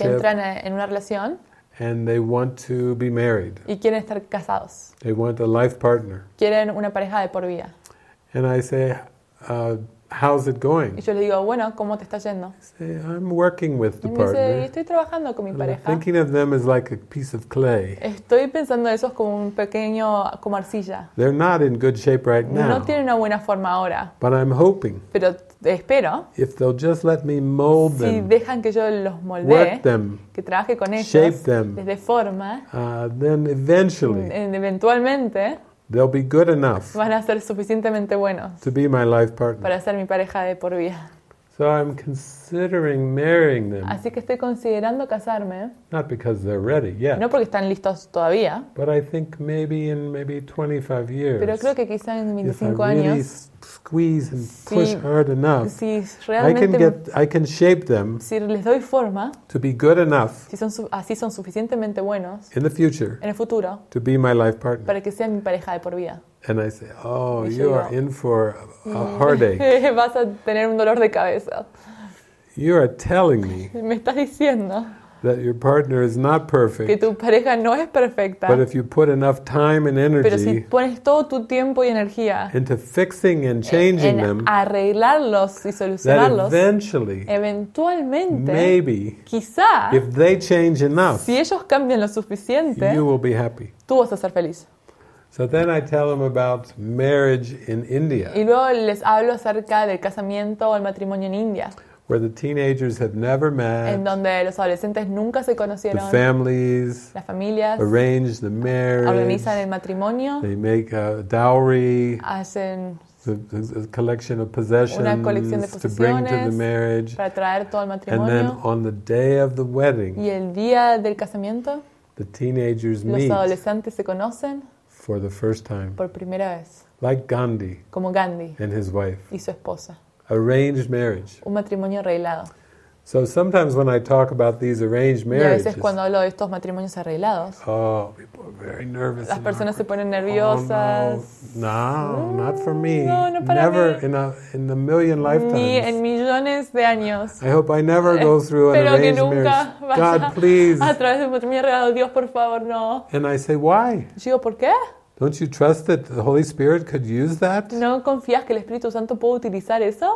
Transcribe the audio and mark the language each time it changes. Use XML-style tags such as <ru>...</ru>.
<es>que entran en una relación,</es> <en>and they want to be married.</en> <es>Y quieren estar casados.</es> <en>They want a life partner.</en> <es>Quieren una pareja de por vida.</es> <en>And I say, how's it going?</en> <es>Y yo le digo, bueno, ¿cómo te está yendo?</es> <en>Say, I'm working with the partner.</en> <es>Y me dice, estoy trabajando con mi pareja.</es> <en>I'm thinking of them as like a piece of clay.</en> <es>Estoy pensando de esos como un pequeño, como arcilla.</es> <en>They're not in good shape right now.</en> <es>No tienen una buena forma ahora.</es> <en>But I'm hoping.</en> <es>Pero espero.</es> <en>If they'll just let me mold them.</en> <es>Si dejan que yo los moldee.</es> <en>Work them.</en> <es>Que trabaje con ellos.</es> <en>Shape them.</en> <es>Les dé forma.</es> <en>Then eventually.</en> <es>Eventualmente.</es> <en>They'll be good enough.</en> <es>Van a ser suficientemente buenos.</es> <en>To be my life partner.</en> <es>Para ser mi pareja de por vida.</es> <en>So I'm considering marrying them.</en> <es>Así que estoy considerando casarme.</es> <en>Not because they're ready yet.</en> <es>No porque están listos todavía.</es> <en>But I think maybe in maybe 25 years.</en> <es>Pero creo que quizá en 25 años.</es> <en>really squeeze and push hard enough.</en> <es>Si realmente</es> <en>I can shape them.</en> <es>Si les doy forma.</es> <en>To be good enough.</en> <es>Si son así son suficientemente buenos.</es> <en>In the future.</en> <es>En el futuro.</es> <en>To be my life partner.</en> <es>Para que sea mi pareja de por vida.</es> <en>And I say, oh, you are in for a heartache.</en> <es>Vas a tener un dolor de cabeza.</es> <en>You are telling me,</en> <es>me estás diciendo</es> <en>that your partner is not perfect.</en> <es>Que tu pareja no es perfecta.</es> <en>But if you put enough time and energy,</en> <es>pero si pones todo tu tiempo y energía</es> <en>into fixing and changing</en> <es>en</es> <en>them,</en> <es>arreglarlos y solucionarlos,</es> <en>that eventually,</en> <es>eventualmente,</es> <en>maybe,</en> <es>quizá,</es> <en>if they change enough,</en> <es>si ellos cambian lo suficiente,</es> <en>you will be happy.</en> <es>Tú vas a ser feliz.</es> <en>So then I tell them about marriage in India.</en> <es>Y luego les hablo acerca del casamiento o el matrimonio en India.</es> <en>Where the teenagers have never met.</en> <es>En donde los adolescentes nunca se conocieron.</es> <en>The families.</en> <es>Las familias.</es> <en>Arrange the marriage.</en> <es>Organizan el matrimonio.</es> <en>They make a dowry.</en> <es>Hacen</es> <en>a collection of possessions,</en> <es>una colección de posesiones</es> <en>to bring to the marriage.</en> <es>Para traer todo el matrimonio.</es> <en>And then on the day of the wedding.</en> <es>Y el día del casamiento.</es> <en>The teenagers</en> <es>los</es> <en>meet.</en> <es>Los adolescentes se conocen.</es> <en>For the first time.</en> <es>Por primera vez.</es> <en>Like Gandhi.</en> <es>Como Gandhi.</es> <en>And his wife.</en> <es>Y su esposa.</es> <en>Arranged marriage.</en> <es>Un matrimonio arreglado.</es> <en>So sometimes when I talk about these arranged marriages.</en> <es>Y a veces cuando hablo de estos matrimonios arreglados.</es> <en>Oh, people are very nervous.</en> <es>Las personas se ponen nerviosas.</es> <en>Oh, no. No, not for me.</en> <es>No, no para</es> <en>never</en> <es>mí.</es> <en>Never in a million lifetimes.</en> <es>Ni en millones de años.</es> <en>I hope I never go through an arranged marriage.</en> <es>Espero que nunca vaya</es> <en>God, please.</en> <es>A través de un matrimonio arreglado. Dios, por favor, no.</es> <en>And I say, why?</en> <es>Y digo, ¿por qué?</es> <en>Don't you trust that the Holy Spirit could use that?</en> <es>¿No confías que el Espíritu Santo puede utilizar eso?</es>